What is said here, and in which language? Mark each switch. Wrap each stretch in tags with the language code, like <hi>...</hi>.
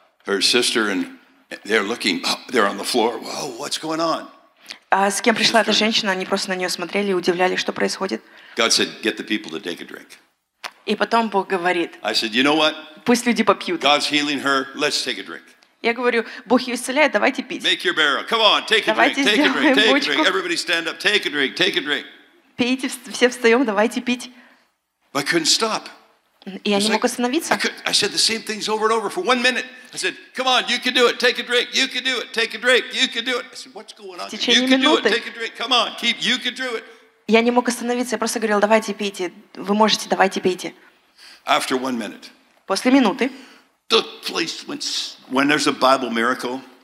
<en>Her sister and they're looking. They're on the floor. Whoa, what's going on?</en> <ru>С кем пришла эта женщина? Они просто на нее смотрели и удивлялись, что происходит.</ru> <en>God said, "Get the people to take a drink."</en> <ru>И потом Бог говорит:</ru> <en>I said, you know what?</en> <ru>Пусть люди попьют.</ru> <en>God's healing her. Let's take a drink.</en> <ru>Я говорю: Бог ее исцеляет, давайте пить.</ru> <en>Make your barrel. Come on, take a</en> <ru>давайте</ru> <en>drink. Take a drink.</en> <ru>Бочку.</ru> <en>Take a drink. Everybody stand up. Take a drink. Take a drink.</en> <ru>Пейте, все встаем, давайте пить.</ru> <en>I couldn't stop.</en> <ru>Я не мог остановиться.</ru> <en>I said the same things over and over for one minute. I said, come on, you can do it. Take a drink. You can do it. Take a drink. You can do it. I said, what's going on?</en> <ru>В течение</ru> <en>you can</en> <ru>минуты.</ru> <en>Do it. Take a drink. Come on, keep. You can do it.</en> <ru>Я не мог остановиться. Я просто говорил: давайте пейте. Вы можете, давайте пейте.</ru> <en>After one minute.</en> <ru>После минуты.</ru> <en>The place when there's a Bible miracle.</en>